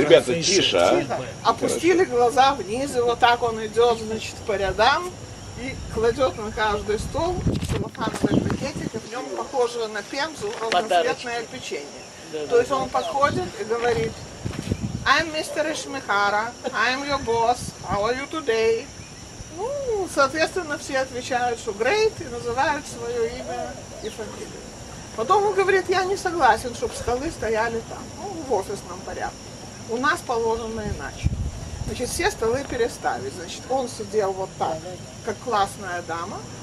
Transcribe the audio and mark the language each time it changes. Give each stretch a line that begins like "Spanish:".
Russian: Ребята, тише, а? Опустили глаза вниз, и вот так он идет, значит, по рядам. И кладет на каждый стол целлофановый пакетик, и в нем похоже на пензу разноцветное печенье. То есть он подходит и говорит,
English: I'm Mr. Ишмихара, I'm your boss, how are you today?
Russian: Ну, соответственно, все отвечают, что great, и называют свое имя и фамилию. Потом он говорит, я не согласен, чтобы столы стояли там, ну, в офисном порядке. У нас положено иначе. Значит, все столы переставить. Значит, он сидел вот так, как классная дама.